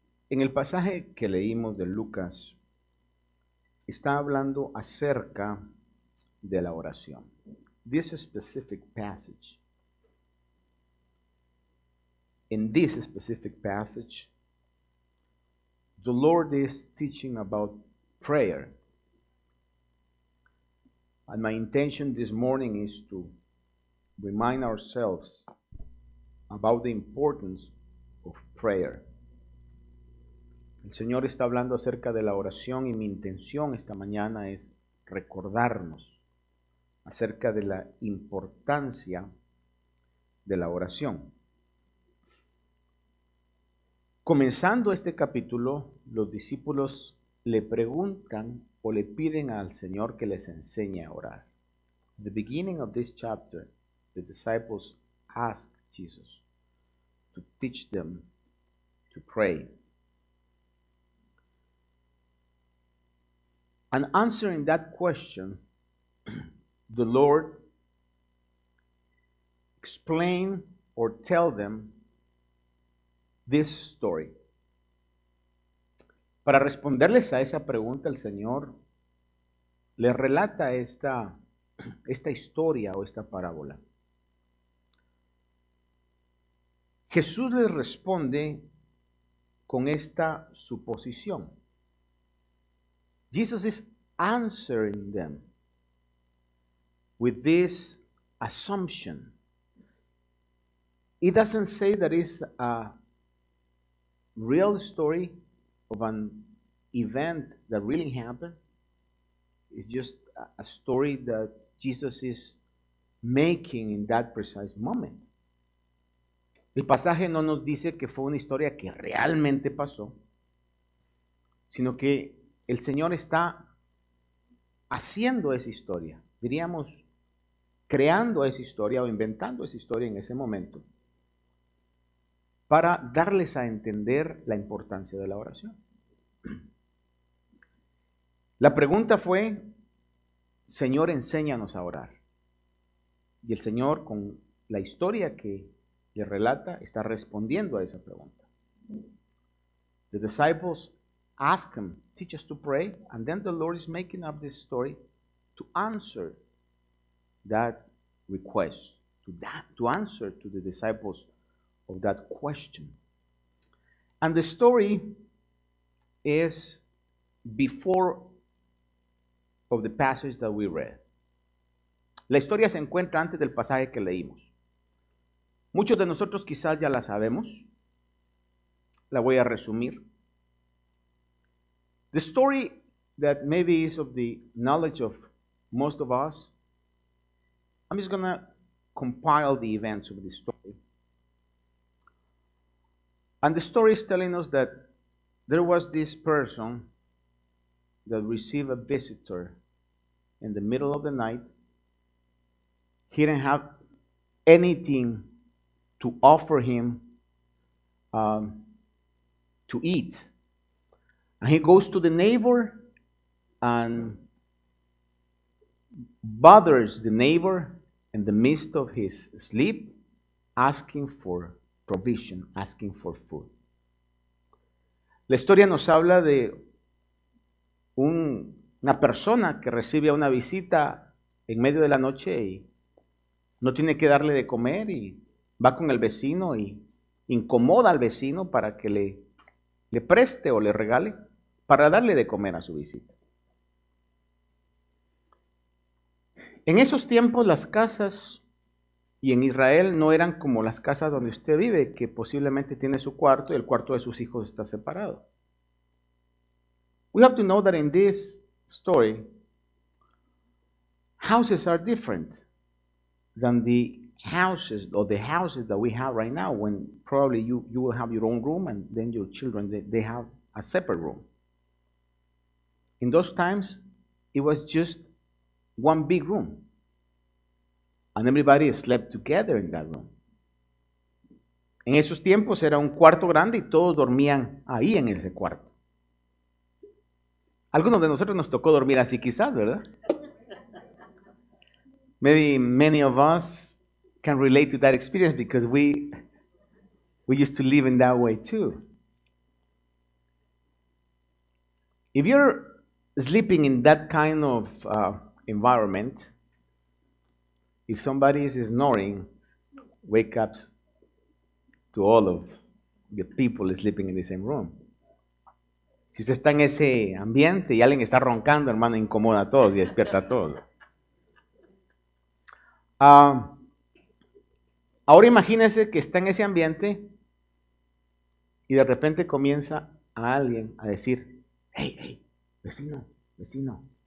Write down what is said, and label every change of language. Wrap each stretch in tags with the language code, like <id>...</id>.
<es>En el pasaje que leímos de Lucas, está hablando acerca de la oración.</es> <en>This specific passage. In this specific passage, the Lord is teaching about prayer. And my intention this morning is to remind ourselves about the importance of prayer.</en> <es>El Señor está hablando acerca de la oración y mi intención esta mañana es recordarnos acerca de la importancia de la oración. Comenzando este capítulo, los discípulos le preguntan o le piden al Señor que les enseñe a orar.</es> <en>At the beginning of this chapter, the disciples ask Jesus to teach them to pray. And answering that question, the Lord explain or tell them this story.</en> <es>Para responderles a esa pregunta, el Señor les relata esta historia o esta parábola. Jesús les responde con esta suposición.</es> <en>Jesus is answering them with this assumption. It doesn't say that it's a real story of an event that really happened. It's just a story that Jesus is making in that precise moment.</en> <es>El pasaje no nos dice que fue una historia que realmente pasó, sino que el Señor está haciendo esa historia, diríamos, creando esa historia o inventando esa historia en ese momento para darles a entender la importancia de la oración. La pregunta fue: Señor, enséñanos a orar. Y el Señor, con la historia que le relata, está respondiendo a esa pregunta.</es> <en>The disciples ask him, teach us to pray, and then the Lord is making up this story to answer that request, to answer to the disciples of that question. And the story is before of the passage that we read.</en> <es>La historia se encuentra antes del pasaje que leímos. Muchos de nosotros quizás ya la sabemos. La voy a resumir.</es> <en>The story that maybe is of the knowledge of most of us, I'm just going to compile the events of the story. And the story is telling us that there was this person that received a visitor in the middle of the night. He didn't have anything to offer him to eat. And he goes to the neighbor and bothers the neighbor in the midst of his sleep, asking for provision, asking for food.</en> <es>La historia nos habla de una persona que recibe una visita en medio de la noche y no tiene que darle de comer y va con el vecino y incomoda al vecino para que le preste o le regale para darle de comer a su visita. En esos tiempos las casas, y en Israel, no eran como las casas donde usted vive, que posiblemente tiene su cuarto y el cuarto de sus hijos está separado.</es> <en>We have to know that in this story, houses are different than the houses or the houses that we have right now, when probably you will have your own room and then your children, they have a separate room. In those times, it was just one big room. And everybody slept together in that room.</en> <es>En esos tiempos era un cuarto grande y todos dormían ahí en ese cuarto. Algunos de nosotros nos tocó dormir así quizás, ¿verdad?</es> <en>Maybe many of us can relate to that experience because we used to live in that way too. If you're sleeping in that kind of environment, if somebody is snoring, wake up to all of the people sleeping in the same room.</en> <es>Si usted está en ese ambiente y alguien está roncando, hermano, incomoda a todos y despierta a todos. Ahora imagínese que está en ese ambiente y de repente comienza a alguien a decir, hey, hey, vecino, vecino.</es>